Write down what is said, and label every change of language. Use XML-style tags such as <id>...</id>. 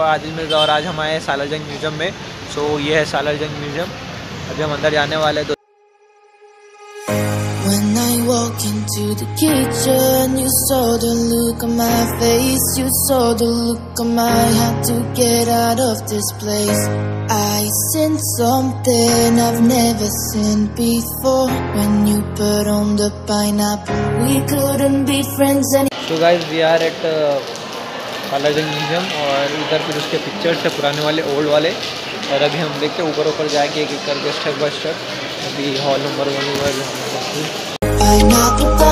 <hi>आज मिर्ज़ा और आज हम आए सालार जंग म्यूजियम में। सो ये है सालार जंग म्यूजियम, अभी हम अंदर जाने वाले हैं।</hi> <en>When I walk into the kitchen, you saw the look on my face. You saw the look on my heart to get out of this place. I sense something I've never seen before. When you put on the pineapple, we couldn't be friends anymore. So guys, we are at</en> <hi>सालार जंग museum और इधर फिर उसके pictures थे पुराने वाले, old वाले। और अभी हम देखते हैं ऊपर ऊपर जाके एक एक करके स्टेप बाय स्टेप। अभी हॉल नंबर 1 हुआ जो हम देखते हैं।</hi>